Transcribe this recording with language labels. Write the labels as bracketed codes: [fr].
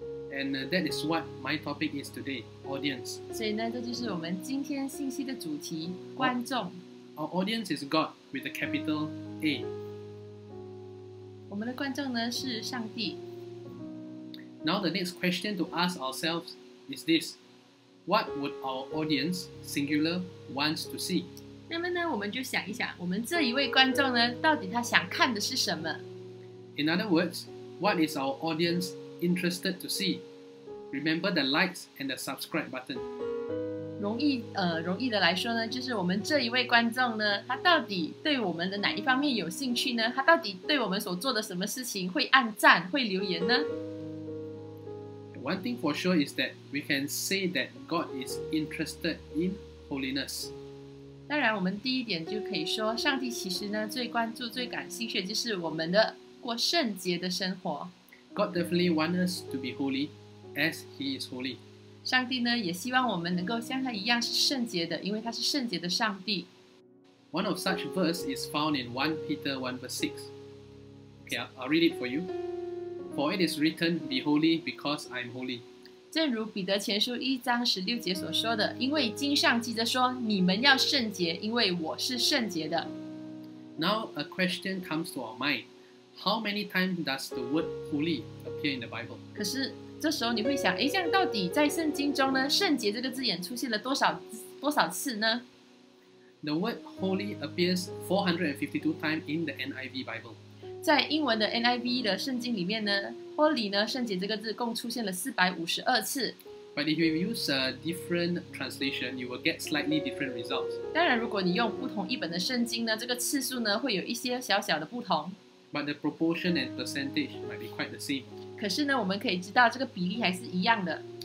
[en] And that is what my topic is today, audience. [zh] 所以呢，这就是我们今天信息的主题，观众。 [en] Our audience is God with a capital A. [zh] 我们的观众呢是上帝。 [en] Now the next question to ask ourselves is this: What would our audience, singular, wants to see? [zh] 那么呢，我们就想一想，我们这一位观众呢，到底他想看的是什么 [en] ？In other words, what is our audience? Interested to see. Remember the likes and the subscribe button. [zh] 容易的来说呢，就是我们这一位观众呢，他到底对我们的哪一方面有兴趣呢？他到底对我们所做的什么事情会按赞、会留言呢？ [en] One thing for sure is that we can say that God is interested in holiness. [zh] 当然，我们第一点就可以说，上帝其实呢最关注、最感兴趣的就是我们的过圣洁的生活。 [en] God definitely wants us to be holy, as He is holy. [zh] 上帝呢，也希望我们能够像他一样是圣洁的，因为他是圣洁的上帝。 [en] One of such verses is found in 1 Peter 1 verse 6. Okay, I'll read it for you. For it is written, "Be holy, because I am holy." [zh] 正如彼得前书一章十六节所说的，因为经上记着说，你们要圣洁，因为我是圣洁的。 [en] Now a question comes to our mind. How many times does the word holy appear in the Bible? [zh] 可是这时候你会想，诶，这样到底在圣经中呢，圣洁这个字眼出现了多少次呢？ [en] The word holy appears 452 times in the NIV Bible. [zh] 在英文的 NIV 的圣经里面呢， holy 呢，圣洁这个字共出现了452次。 [en] But if you use a different translation, you will get slightly different results. [zh] 当然如果你用不同一本的圣经呢，这个次数呢会有一些小小的不同。 [en] But the proportion and percentage might be quite the same. [zh] 可是呢，我们可以知道这个比例还是一样的。